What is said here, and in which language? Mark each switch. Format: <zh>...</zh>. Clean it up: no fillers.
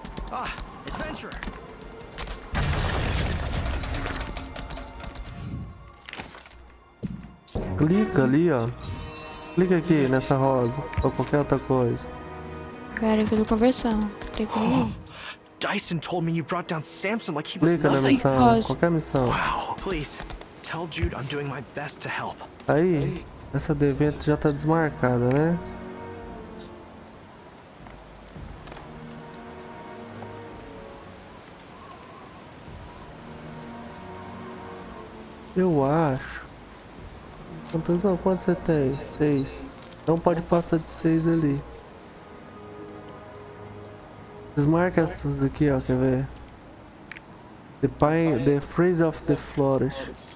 <en>Ah, adventure!</en> <pt>Clica ali, ó. Clica aqui nessa rosa ou qualquer outra coisa. Pera, eu tô conversando. Tem como?</pt> <en>Dyson told me you brought down Samson like he was nothing.</en> <pt>Qualquer missão.</pt> <en>Wow, please tell Jude I'm doing my best to help.</en> <pt>Aí, essa do evento já tá desmarcada, né? Eu acho. Quantos não? Quantos você tem? 6. Não pode passar de 6 ali. Desmarca essas aqui, ó, quer ver?</pt> <en>The Pine, the Freeze of the Flourish.</en>